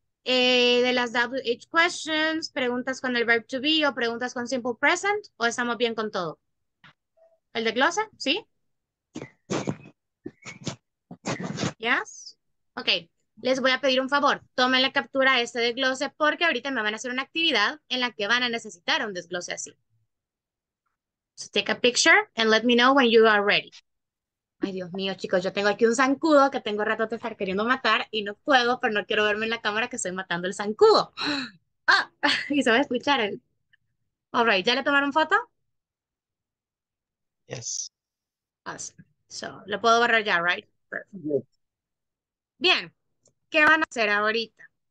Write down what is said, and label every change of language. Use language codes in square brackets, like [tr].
[es] De las WH questions, preguntas con el verb to be o preguntas con simple present, ¿o estamos bien con todo? ¿El desglose? ¿Sí? [en] Yes. [es] Ok, les voy a pedir un favor, tomen la captura de este desglose porque ahorita me van a hacer una actividad en la que van a necesitar un desglose así. [en] So take a picture and let me know when you are ready. [es] Ay, Dios mío, chicos, yo tengo aquí un zancudo que tengo rato de estar queriendo matar y no puedo, pero no quiero verme en la cámara que estoy matando el zancudo. ¡Ah! ¡Oh! Y se va a escuchar el. [en] All right, [es] ¿ya le tomaron foto? [en] Yes. Awesome. [es] So, lo puedo borrar ya, [en] right? Perfect. [es] Bien, ¿qué van a hacer ahorita?